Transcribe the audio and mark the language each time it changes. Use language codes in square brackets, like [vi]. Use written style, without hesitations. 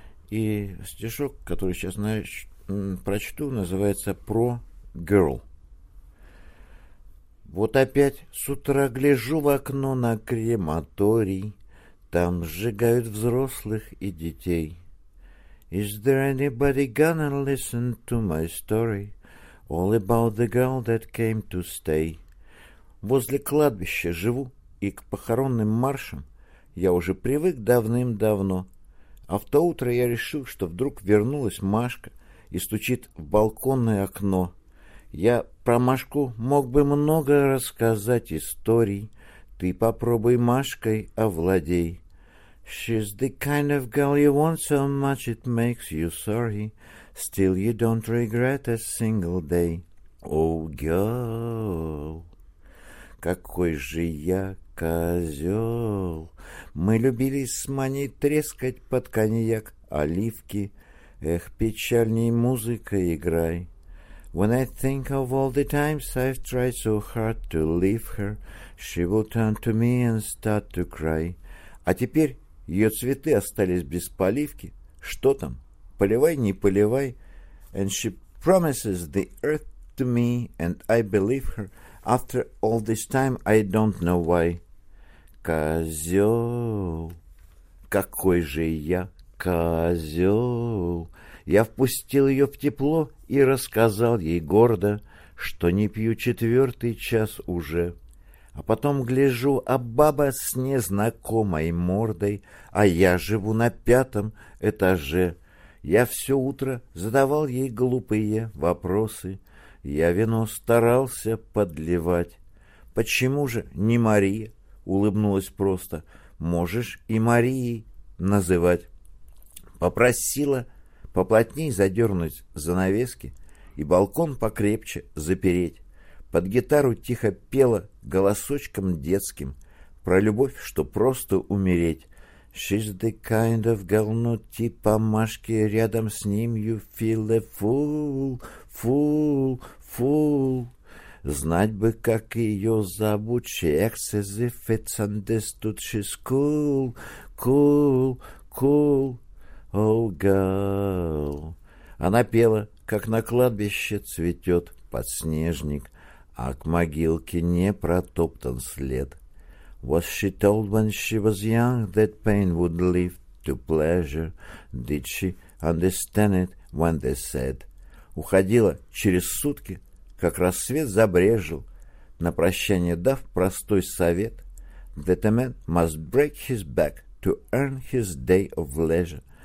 [ru] И стишок, который сейчас прочту, называется «Про Girl». Вот опять с утра гляжу в окно на крематорий. Там сжигают взрослых и детей. [en] Is there anybody gonna listen to my story? All about the girl that came to stay. [ru] Возле кладбища живу, и к похоронным маршам я уже привык давным-давно. А в то утро я решил, что вдруг вернулась Машка и стучит в балконное окно. Я про Машку мог бы много рассказать историй. Ты попробуй Машкой овладей. [en] She's the kind of girl you want so much it makes you sorry. Still you don't regret a single day. Oh, girl, [ru] какой же я козел. Мы любили с Маней трескать под коньяк оливки. Эх, печальней музыка играй. [en] When I think of all the times I've tried so hard to leave her, she will turn to me and start to cry. [ru] А теперь ее цветы остались без поливки. Что там? Поливай, не поливай. [en] And she promises the earth to me, and I believe her. After all this time, I don't know why. [ru] Козел, какой же я козел. Я впустил ее в тепло и рассказал ей гордо, что не пью четвертый час уже. А потом гляжу, а баба с незнакомой мордой, а я живу на пятом этаже. Я все утро задавал ей глупые вопросы. Я вино старался подливать. «Почему же не Мария?» — улыбнулась просто. «Можешь и Марией называть». Попросила поплотней задернуть занавески и балкон покрепче запереть. Под гитару тихо пела голосочком детским про любовь, что просто умереть. [en] «She's the kind of girl, [ru] но типа Машки, рядом с ним [en] you feel a fool, fool, fool». [ru] Знать бы, как ее зовут, [en] she acts as if it's understood, she's cool, cool, cool, oh girl. [ru] Она пела, как на кладбище цветет подснежник, а к могилке не протоптан след. [en] Was she told when she was young that pain would lead to pleasure? Did she understand it when they said? [ru] Уходила через сутки, как рассвет забрежил, на прощание дав простой совет: [en] that a man must break his back to earn his day of leisure.